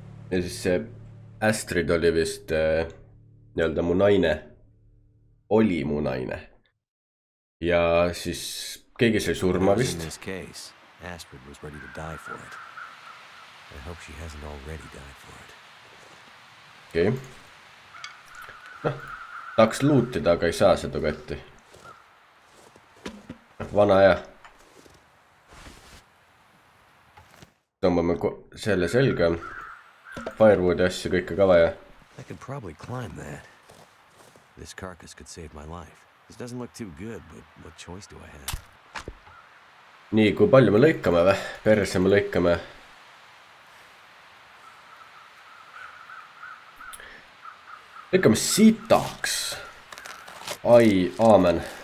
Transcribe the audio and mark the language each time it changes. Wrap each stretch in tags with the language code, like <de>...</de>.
<et>Ja siis see Astrid oli vist nii-öelda mu naine. Oli mu naine. Ja siis keegi sai surma vist.</et> <en>Astrid was ready to die for it. I hope she hasn't already died for it.</en> <et>Okei. Tahaks lootida, aga ei saa seda kätte. Vana aja. Tõmbame selle selga. Firewood asja kõike ka vaja.</et> <en>I could probably climb that. This carcass could save my life. This doesn't look too good, but what choice do I have?</en> <et>Nii, kui palju me lõikame vä? Perse me lõikame. Lõikame sitaks. Ai, aamen.</et>